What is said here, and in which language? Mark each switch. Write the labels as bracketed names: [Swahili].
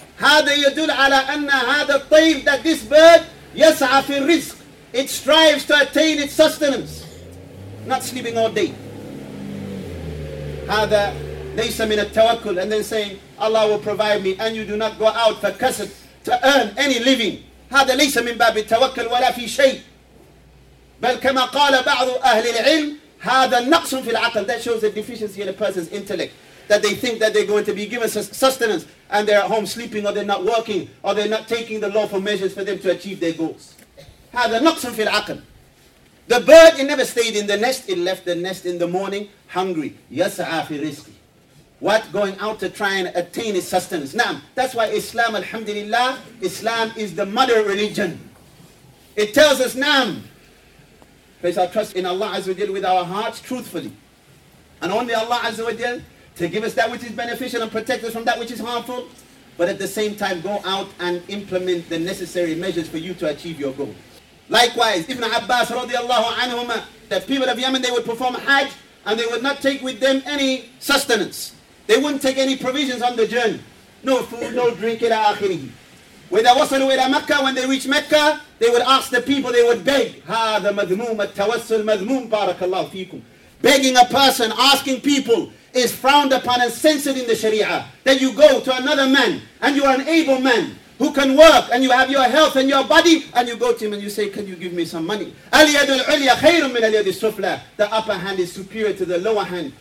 [Arabic] هذا يدل على أن هذا الطيب, [English] that this bird [Arabic] يسعى في الرزق, [English] it strives to attain its sustenance, not sleeping all day. [Arabic] هذا ليس من التوكل. [English] And then saying Allah will provide me, and you do not go out for kasb to earn any living. [Arabic] هذا ليس من باب التوكل ولا في شيء. بل كما قال بعض أهل العلم هذا نقص في العقل. [English] That shows a deficiency in a person's intellect. That they think that they're going to be given sustenance and they're at home sleeping, or they're not working, or they're not taking the lawful measures for them to achieve their goals. [Arabic] هذا نقص في العقل. [English] The bird, it never stayed in the nest. It left the nest in the morning hungry. [Arabic] يَسْعَى فِي رِزْقِ. What? [English] Going out to try and attain its sustenance. Naam. That's why Islam, alhamdulillah, Islam is the mother religion. It tells us, naam. Place our trust in Allah Azza wa Jal with our hearts truthfully. And only Allah Azza wa Jal to give us that which is beneficial and protect us from that which is harmful. But at the same time, go out and implement the necessary measures for you to achieve your goal. Likewise, Ibn Abbas radiallahu anhuma, the people of Yemen, they would perform Hajj and they would not take with them any sustenance. They wouldn't take any provisions on the journey. No food, no drink, [Arabic] ila akhirihi. [English] When they [Arabic] wasalu ila Makkah, [English] when they reached Mecca, they would ask the people, they would beg. [Arabic] هذا مذموم التوسل مذموم بارك الله فيكم. [English] Begging a person, asking people, is frowned upon and censored in the Sharia. That you go to another man and you are an able man who can work and you have your health and your body, and you go to him and you say, can you give me some money? [Arabic] Al-yadul ulya khayrun min al-yadis sufla. [English] The upper hand is superior to the lower hand.